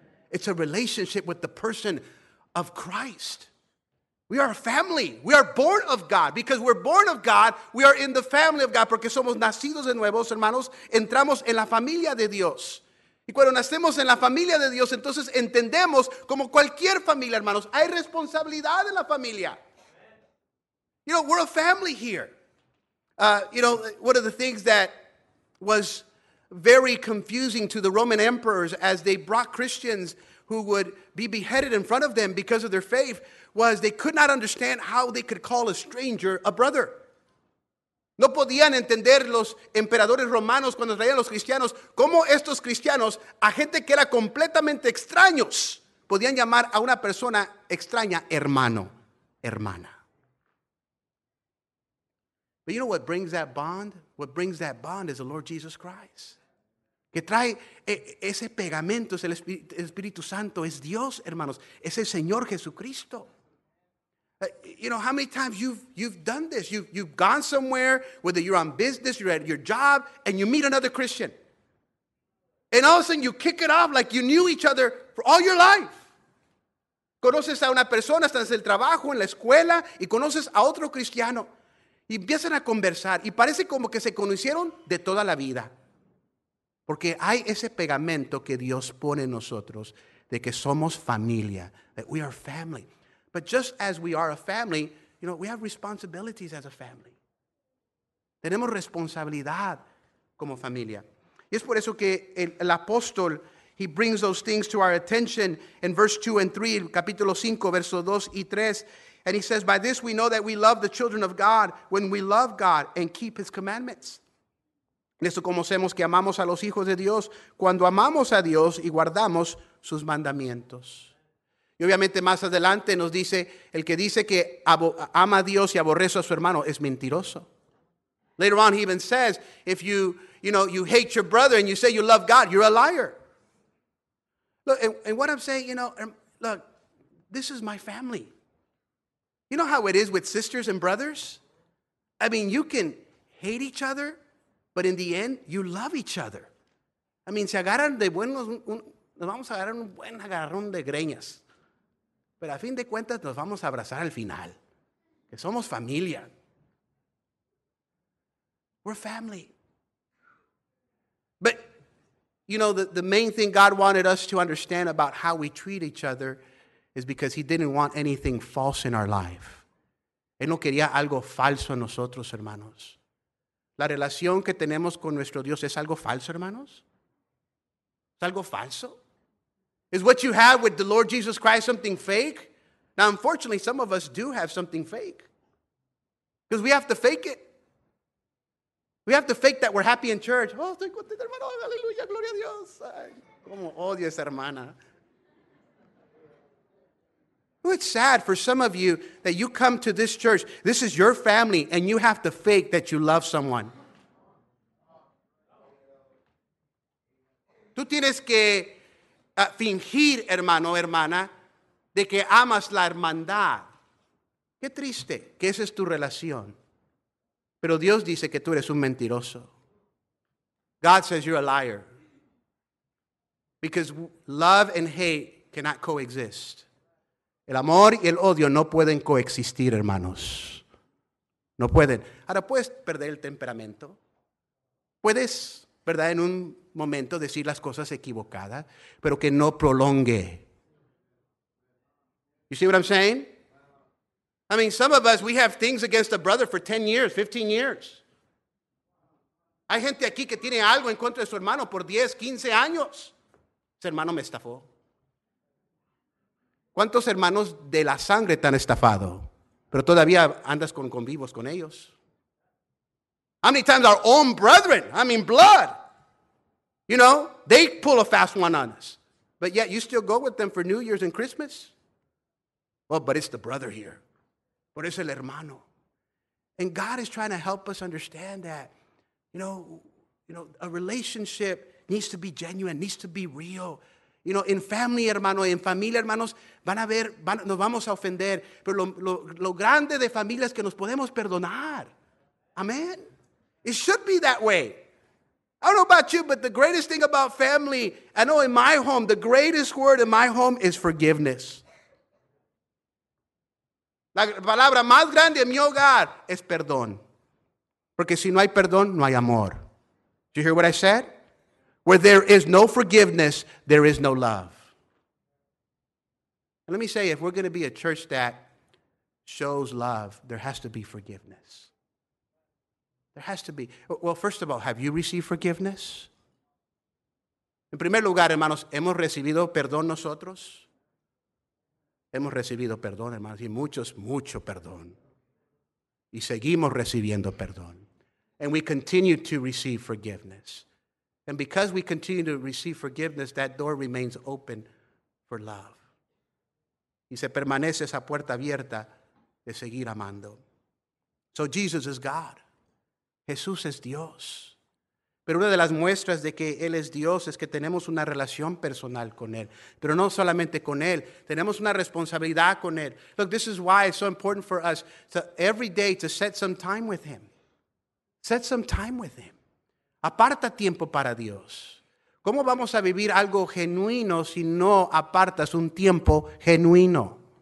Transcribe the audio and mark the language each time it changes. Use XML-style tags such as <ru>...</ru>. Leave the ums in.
<en>It's a relationship with the person of Christ. We are a family. We are born of God. Because we're born of God, we are in the family of God.</en> <es>Porque somos nacidos de nuevos, hermanos, entramos en la familia de Dios. Y cuando nacemos en la familia de Dios, entonces entendemos como cualquier familia, hermanos, hay responsabilidad en la familia.</es> <en>You know, we're a family here. Uh, you know, one of the things that was very confusing to the Roman emperors as they brought Christians who would be beheaded in front of them because of their faith was they could not understand how they could call a stranger a brother.</en> <es>No podían entender los emperadores romanos cuando traían a los cristianos cómo estos cristianos, a gente que era completamente extraños, podían llamar a una persona extraña hermano, hermana.</es> <en>But you know what brings that bond? What brings that bond is the Lord Jesus Christ.</en> <es>Que trae ese pegamento, es el Espíritu Santo, es Dios, hermanos, es el Señor Jesucristo.</es> <en>You know how many times you've you've done this? You've you've gone somewhere, whether you're on business, you're at your job, and you meet another Christian, and all of a sudden you kick it off like you knew each other for all your life.</en> <es>Conoces a una persona, estás en el trabajo, en la escuela, y conoces a otro cristiano. Y empiezan a conversar y parece como que se conocieron de toda la vida. Porque hay ese pegamento que Dios pone en nosotros de que somos familia,</es> <en>that we are family. But just as we are a family, you know, we have responsibilities as a family.</en> <es>Tenemos responsabilidad como familia. Y es por eso que el, el apóstol</es> <en>He brings those things to our attention in verse 2 and 3,</en> <es>capítulo 5, verso 2 y 3.</es> <en>And he says, By this we know that we love the children of God when we love God and keep his commandments.</en> <es>En esto conocemos que amamos a los hijos de Dios cuando amamos a Dios y guardamos sus mandamientos. Y obviamente más adelante nos dice, el que dice que abo- ama a Dios y aborrece a su hermano es mentiroso.</es> <en>Later on, he even says, if you, you know, you hate your brother and you say you love God, you're a liar. Look, and, and what I'm saying, you know, um, look, this is my family. You know how it is with sisters and brothers? I mean, you can hate each other, but in the end, you love each other. I mean,</en> <es>se agarran de buenos, un- un- nos vamos a agarrar un buen agarrón de greñas. Pero a fin de cuentas, nos vamos a abrazar al final. Que somos familia.</es> <en>We're family. But, you know, the, the main thing God wanted us to understand about how we treat each other is because He didn't want anything false in our life.</en> <es>Él no quería algo falso en nosotros, hermanos. La relación que tenemos con nuestro Dios es algo falso, hermanos. Es algo falso.</es> <en>Is what you have with the Lord Jesus Christ something fake? Now, unfortunately, some of us do have something fake because we have to fake it. We have to fake that we're happy in church.</en> <es>Oh, estoy contento, hermano. Aleluya, gloria a Dios. Ay, como odio a esa hermana.</es> <en>Oh, it's sad for some of you that you come to this church. This is your family, and you have to fake that you love someone.</en> <es>Tú tienes que ah, fingir, hermano, hermana, de que amas la hermandad. Qué triste que esa es tu relación. Pero Dios dice que tú eres un mentiroso.</es> <en>God says you're a liar. Because w- love and hate cannot coexist.</en> <es>El amor y el odio no pueden coexistir, hermanos. No pueden. Ahora puedes perder el temperamento. Puedes, ¿verdad? En un momento decir las cosas equivocadas, pero que no prolongue.</es> <en>You see what I'm saying? I mean, some of us, we have things against a brother for 10 years, 15 years.</en> <es>Hay gente aquí que tiene algo en contra de su hermano por 10, 15 años. Ese hermano me estafó. ¿Cuántos hermanos de la sangre te han estafado? Pero todavía andas con convivos con ellos.</es> <en>How many times our own brethren, I mean blood, you know, they pull a fast one on us. But yet you still go with them for New Year's and Christmas? Well, but it's the brother here. But it's</en> <es>el hermano.</es> <en>And God is trying to help us understand that, you know, you know, a relationship needs to be genuine, needs to be real. You know,</en> <es>en family, hermano, en familia, hermanos, van a ver, van- nos vamos a ofender. Pero lo, lo- lo grande de familia es que nos podemos perdonar. Amén.</es> <en>It should be that way. I don't know about you, but the greatest thing about family, I know in my home, the greatest word in my home is forgiveness.</en> <es>La palabra más grande en mi hogar es perdón. Porque si no hay perdón, no hay amor.</es> <en>Do you hear what I said? Where there is no forgiveness, there is no love. And let me say, if we're going to be a church that shows love, there has to be forgiveness. There has to be. Well, first of all, have you received forgiveness? En primer lugar, hermanos, ¿hemos recibido perdón nosotros? Hemos recibido perdón, hermanos, y muchos, mucho perdón. Y seguimos recibiendo perdón. And we continue to receive forgiveness. And because we continue to receive forgiveness, that door remains open for love.</en> <es>Y se permanece esa puerta abierta de seguir amando.</es> <en>So Jesus is God.</en> <es>Jesús es Dios. Pero una de las muestras de que Él es Dios es que tenemos una relación personal con Él. Pero no solamente con Él, tenemos una responsabilidad con Él.</es> <en>Look, this is why it's so important for us to every day to set some time with Him. Set some time with Him.</en> <es>Aparta tiempo para Dios. ¿Cómo vamos a vivir algo genuino si no apartas un tiempo genuino?</es>